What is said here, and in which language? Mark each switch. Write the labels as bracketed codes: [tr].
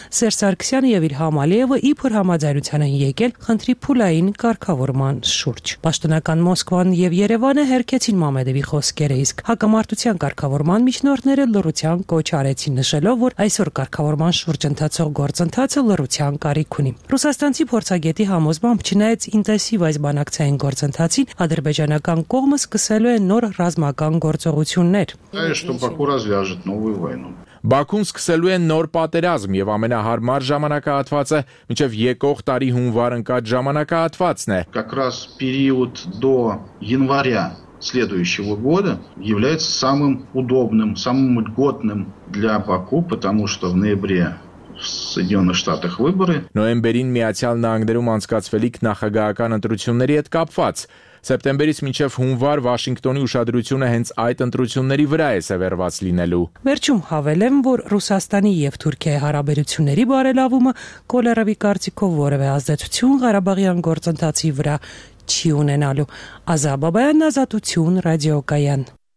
[hy] Սերժ Սարգսյանը և իր Համալիևը իբր համաձայնության են եկել խնդրի փուլային կարգավորման շուրջ։ Պաշտոնական Մոսկվան և Երևանը հերքեցին Մամեդովի խոսքերը, իսկ հակամարտության կարգավորման միջնորդները լռության կոչ արեցին, նշելով, որ այսօր կարգավորման շուրջ ընթացող գործընթացը լռության կարիք ունի։ Ռուսաստանցի փորձագետի համոզմամբ, չնայած ինտենսիվ այս բանակցային գործընթացին, ադրբեջանական կողմը սկսելու է նոր ռազմական գործողություններ։ Բաքուն սկսելու է նոր պատերազմ, և ամենահարմար ժամանակահատվածը մինչև եկող տարի հունվար ընկած ժամանակահատվածն է։ [ru] Следующего года является самым удобным, самым льготным для Баку, потому что в ноябре в Соединенных Штатах выборы. [hy] Նոյեմբերին Միացյալ Նահանգներում անցկացվելիք նախագահական ընտրությունների հետ կապված, Սեպտեմբերից մինչև հունվար Վաշինգտոնի ուշադրությունը հենց այդ ընտրությունների վրա է սևեռված լինելու։ Վերջում հավելեմ, որ Ռուսաստանի և Թուրքիայի հարաբերությունների բարելավումը Կոլերովի կարծիքով որևէ ազդեցություն Ղարաբաղյան գործընթացի վրա չի ունենալու։ Ազա Բաբայան, Ազատություն, Ռադիոկայան։